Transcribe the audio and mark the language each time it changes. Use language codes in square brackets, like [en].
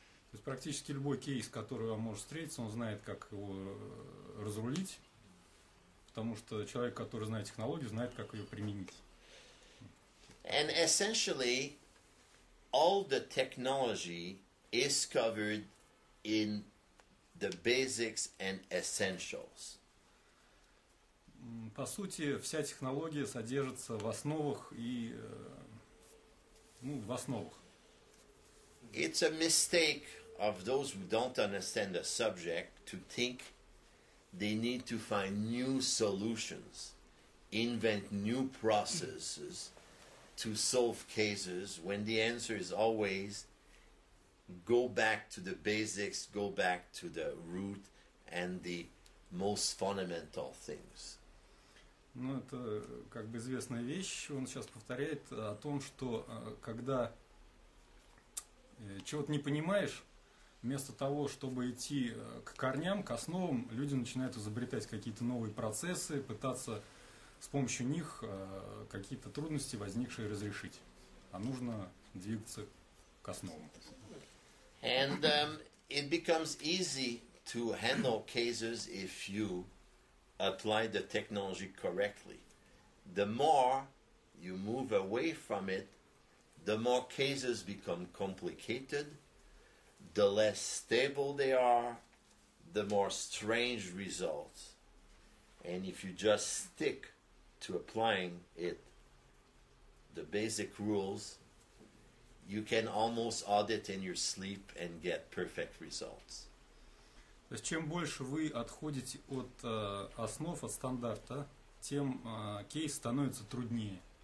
[ru] То есть практически любой кейс, который вам может встретиться, он знает, как его разрулить. Потому что человек, который знает технологию, знает, как ее применить. [en] And essentially, all the technology is covered in the basics and essentials. [ru] По сути, вся технология содержится в основах и, ну, в основах. [en] It's a mistake of those who don't understand the subject to think they need to find new solutions, invent new processes to solve cases, when the answer is always go back to the basics, go back to the root and the most fundamental things. [ru] Ну, это как бы известная вещь, он сейчас повторяет о том, что когда чего-то не понимаешь, вместо того, чтобы идти к корням, к основам, люди начинают изобретать какие-то новые процессы, пытаться с помощью них какие-то трудности, возникшие, разрешить. А нужно двигаться к основам. [en] And it becomes easy to handle cases if you apply the technology correctly. The more you move away from it, the more cases become complicated, the less stable they are, the more strange results. And if you just stick to applying it, the basic rules, you can almost audit in your sleep and get perfect results. [ru] То есть, чем больше вы отходите от основ, от стандарта, тем кейс становится труднее.